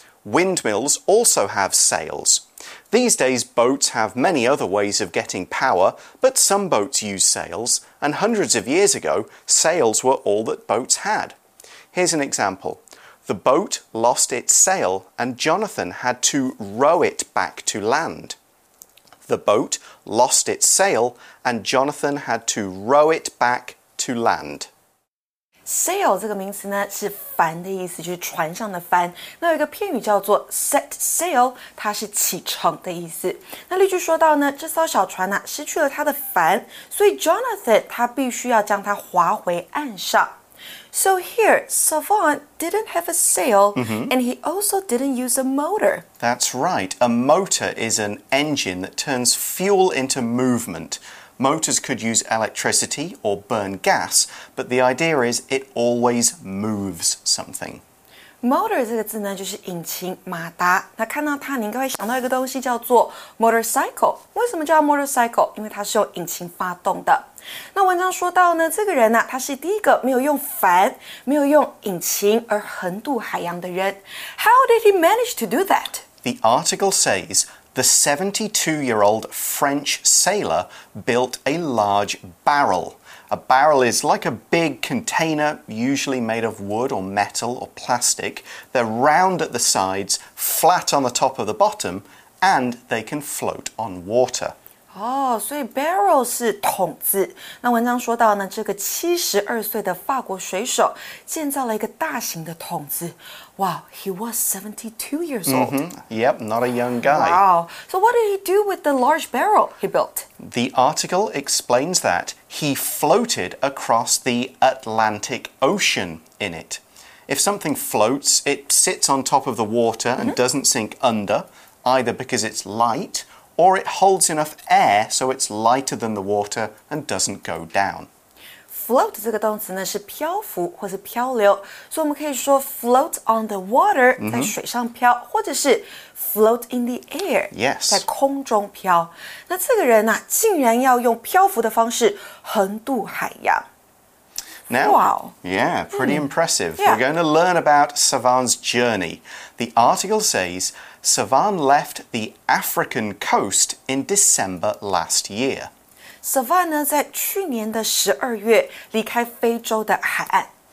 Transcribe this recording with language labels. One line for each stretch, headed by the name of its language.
English: Windmills also have sails. These days, boats have many other ways of getting power, but some boats use sails, and hundreds of years ago, sails were all that boats had. Here's an example. The boat lost its sail, and Jonathan had to row it back to land. The boat lost its sail, and Jonathan had to row it back to land.
Chinese: Sail 这个名词呢是帆的意思，就是船上的帆。那有一个片语叫做 set sail, 它是启程的意思。那例句说到呢，这艘小船呢、啊、失去了它的帆，所以 Jonathan 他必须要将它划回岸上。
English: So here, Savan didn't have a sail,、 mm-hmm. and he also didn't use a motor. That's right. A motor is an engine that turns fuel into movement. Motors could use electricity or burn gas, but the idea is it always moves something.
Chinese: Motor 这个字呢，就是引擎、马达。那看到它，你应该会想到一个东西叫做 motorcycle。为什么叫 motorcycle？因为它是用引擎发动的。那文章说到呢，这个人呢、啊，他是第一个没有用帆、没有用引擎而横渡海洋的人。
English: How did he manage to do that? The article says the 72-year-old French sailor built a large barrel. A barrel is like a big container, usually made of wood or metal or plastic. They're round at the sides, flat on the top of the bottom, and they can float on water.
Chinese: 哦，所以 barrel 是桶子。那文章说到呢，这个72岁的法国水手建造了一个大型的桶子。
English: Wow, he was 72 years old. Mm-hmm. Yep, not a young guy. Wow. So what did he do with the large barrel he built? The article explains that he floated across the Atlantic Ocean in it. If something floats, it sits on top of the water and doesn't sink under, either because it's light or it holds enough air so it's lighter than the water and doesn't go down.
Chinese: Float 这个动词呢是漂浮或是漂流，所以我们可以说
English: float on the water、
Chinese: 在水上漂，或者是
English: float in the air、
Chinese: 在空中漂。那这个人呢、竟然要用漂浮的方式横渡海洋。
English: Now, wow. Yeah, pretty impressive.、We're going to learn about Savan's journey. The article says Savan left the African coast in December last year.
Chinese: Savan 呢在去年的12月离开非洲的海岸。